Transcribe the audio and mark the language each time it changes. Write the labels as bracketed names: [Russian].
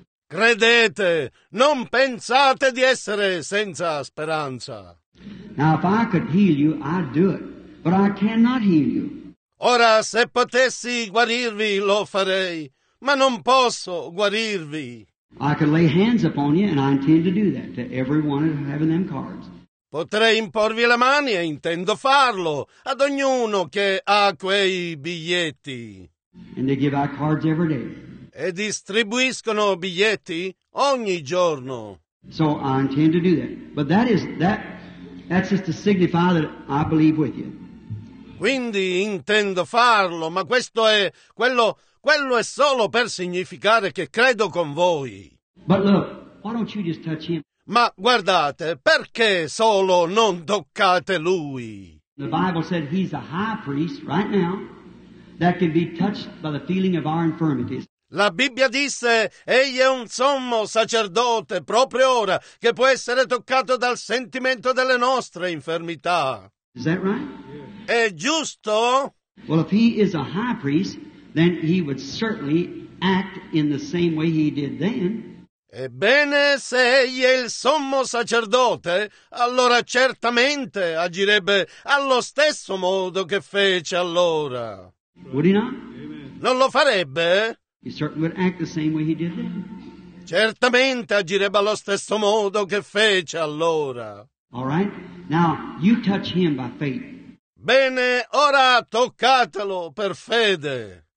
[Italian] Credete, non pensate di essere senza speranza. [English] Now if I could heal you, I'd do it, but I cannot heal you. [Italian] Ora se potessi guarirvi lo farei, ma non posso guarirvi. [English] I could lay hands upon you and I intend to do that to everyone having them cards. [Italian] Potrei imporvi le mani e intendo farlo ad ognuno che ha quei biglietti. [English] And they give out cards every day. [Italian] E distribuiscono biglietti ogni giorno. [English] So I intend to do that. But that's just to signify that I believe with you. [Italian] Quindi intendo farlo, ma questo è quello è solo per significare che credo con voi. [English] But look, why don't you just touch him? [Italian] Ma guardate, perché solo non toccate lui? [English] The Bible said he's a high priest right now that can be touched by the feeling of our infirmities. [Italian] La Bibbia disse, egli è un sommo sacerdote proprio ora che può essere toccato dal sentimento delle nostre infermità. [English] Is that right? [Italian] È giusto? [English] Well, if he is a high priest, then he would certainly act in the same way he did then. [Italian] Ebbene, se egli è il sommo sacerdote, allora certamente agirebbe allo stesso modo che fece allora. [English] Would he not? [Italian] Non lo farebbe? [English] He certainly would act the same way he did then. [Italian] Certamente agirebbe allo stesso modo che fece allora. [English] All right. Now, you touch him by faith. [Italian] Bene, ora toccatelo per fede.